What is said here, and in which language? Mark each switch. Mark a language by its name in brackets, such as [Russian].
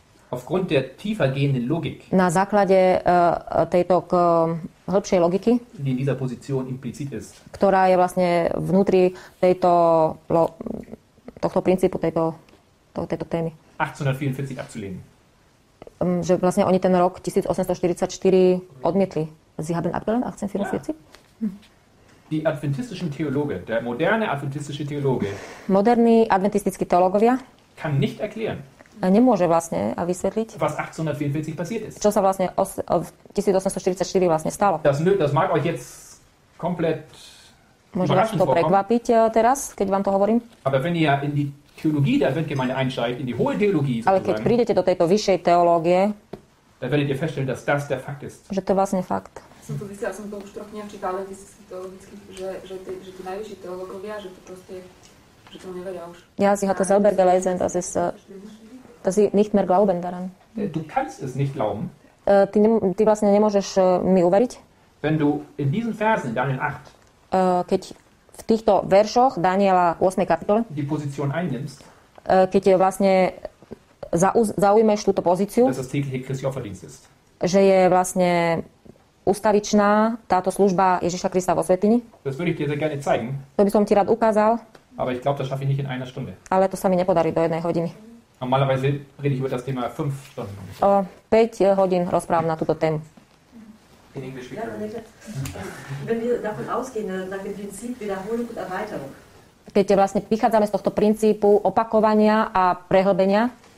[German] aufgrund der tiefer gehenden Logik, [Slovak] na základe tejto hĺbšej logiky, [German] die in dieser Position implizit ist, [Slovak] ktorá je vlastne vnútri tejto tohto princípu, tejto témy, [German] 1844 abzulehnen, [Slovak] že vlastne oni ten rok 1844 odmietli. [German] Sie haben abgelehnt 1844? Ja. Die adventistischen Theologe, der moderne adventistische Theologe. [Slovak] Moderní adventistickí teológovia. [German] Kann nicht erklären. [Slovak] Nemôže vlastne vysvetliť. [German] Was 1844 passiert ist. [Slovak] Čo sa vlastne v 1844 vlastne stalo? [German] Das mag euch jetzt komplett [Slovak] možno vás to prekvapiť teraz, keď vám to hovorím. [German] Aber wenn ihr in die Theologie der Adventgemeinde einsteigt, in die hohe Theologie. [Slovak] Ale keď prídete do tejto vyššej teológie, [German] da werdet ihr feststellen, dass das der Fakt ist. [Slovak] Že to je vlastne fakt. Som to vysiela, som to už trochu nevčítala, že tí najvyšší teológovia, že to proste, že to neveria už. [German] Ja, sie hat das selber gelesen, dass sie nicht mehr glauben daran. Du kannst es nicht glauben. [Slovak] Ty vlastne nemôžeš mi uveriť. [German] Wenn du in diesen Versen, Daniel 8, [Slovak] keď v týchto veršoch, Daniela 8. kapitole, [German] die Position einnimmst, [Slovak] keď vlastne zaujmeš túto pozíciu, [German] dass das tägliche Christi Opferdienst ist. [Slovak] Že je vlastne ustavičná táto služba Ježiša Krista vo svätyni. To by som ti rád ukázal. [German] Aber ich glaub, das schaffe ich nicht in einer Stunde. [Slovak] Ale to sa mi nepodarí do jednej hodiny. [German] Normalerweise rede ich über das Thema 5 Stunden. [Slovak] 5 hodín rozprávam na túto tému. [English] In English speaker. [German] Wenn wir davon ausgehen, nach dem Prinzip Wiederholung und Erweiterung. [Slovak] Keď vlastne vychádzame z tohto princípu opakovania a prehlbenia.